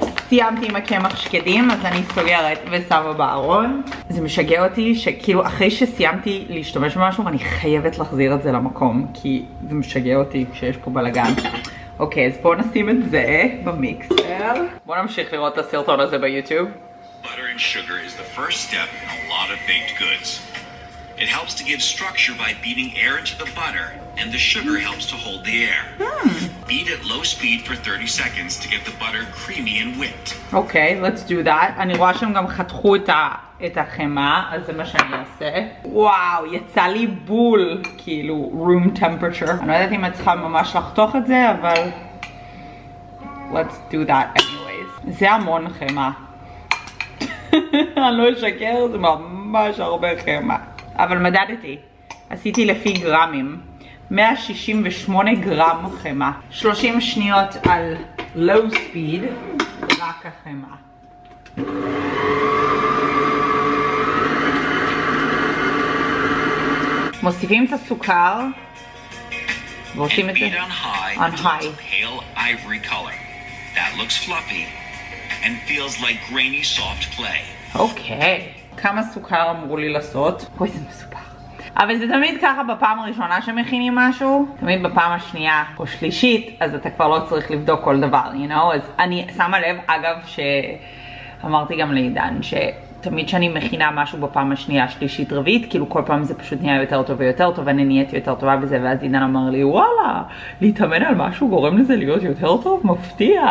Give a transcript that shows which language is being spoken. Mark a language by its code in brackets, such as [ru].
[he] סיימתי עם הקמח שקדים, אז אני סוגרת ושמה בארון. זה משגע אותי שכאילו אחרי שסיימתי להשתמש במשהו, אני חייבת להחזיר את זה למקום, כי זה משגע אותי שיש פה בלגן. אוקיי, אז בואו נשים את זה במיקסר. בואו נמשיך לראות את הסרטון הזה ביוטיוב. [en] Butter and sugar is the first step in a lot of baked goods. It helps to give structure by beating air into the butter, and the sugar helps to hold the air. Beat at low speed for 30 seconds to get the butter creamy and whipped. אוקיי, let's do that. [he] אני רואה שהם גם חתכו את החמה, אז זה מה שאני אעשה. וואו, יצא לי בול, כאילו, [en] room temperature. [he] אני לא יודעת אם את צריכה ממש לחתוך את זה, אבל... [en] let's do that anyways. [he] זה המון חמה. אני לא אשקר, זה ממש הרבה חמה. אבל מדדתי, עשיתי לפי גרמים, 168 גרם חמה. 30 שניות על [en] low speed, [he] רק החמה. מוסיפים את הסוכר, ועושים את זה [en] on high. Pale ivory color. That looks fluffy and feels like grainy soft clay. [he] אוקיי. כמה סוכר אמרו לי לעשות? אוי, זה מסופר. אבל זה תמיד ככה בפעם הראשונה שמכינים משהו, תמיד בפעם השנייה או שלישית, אז אתה כבר לא צריך לבדוק כל דבר, [en] you know? [he] אז אני שמה לב, אגב, שאמרתי גם לעידן, שתמיד שאני מכינה משהו בפעם השנייה, שלישית, רביעית, כאילו כל פעם זה פשוט נהיה יותר טוב ויותר טוב, ואני נהייתי יותר טובה בזה, ואז עידן אמר לי, וואלה, להתאמן על משהו גורם לזה להיות יותר טוב? מפתיע.